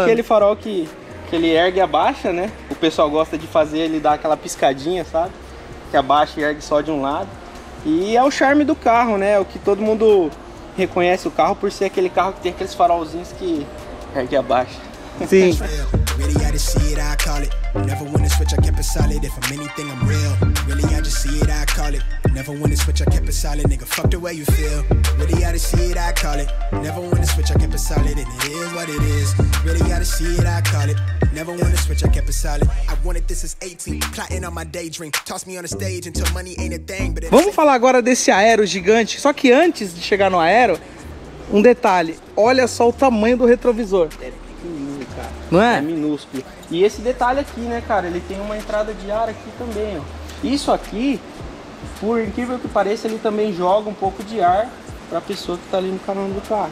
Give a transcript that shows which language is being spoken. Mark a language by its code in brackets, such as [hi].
[pt] É aquele farol que ele ergue e abaixa, né? O pessoal gosta de fazer ele dar aquela piscadinha, sabe? Que abaixa e ergue só de um lado. E é o charme do carro, né? O que todo mundo reconhece o carro por ser aquele carro que tem aqueles farolzinhos que ergue e abaixa. Sim. [en] Really, I just see it, I call it. Never wanna switch, I kept it solid. If I'm anything, I'm real. Really, I just see it, I call it. Never wanna switch, I kept it solid. Nigga, fuck the way you feel. Really, I just see it, I call it. Never wanna switch, I kept it solid. And it is what it is. Really, I just see it, I call it. Never wanna switch, I kept it solid. I wanted this as 18. Plotting on my daydream. Toss me on the stage until money ain't a thing. [pt] But vamos falar agora desse Aero gigante. Só que antes de chegar no Aero, um detalhe. Olha só o tamanho do retrovisor. Não é? É minúsculo. E esse detalhe aqui, né, cara? Ele tem uma entrada de ar aqui também, ó. Isso aqui, por incrível que pareça, ele também joga um pouco de ar pra pessoa que tá ali no canal do carro.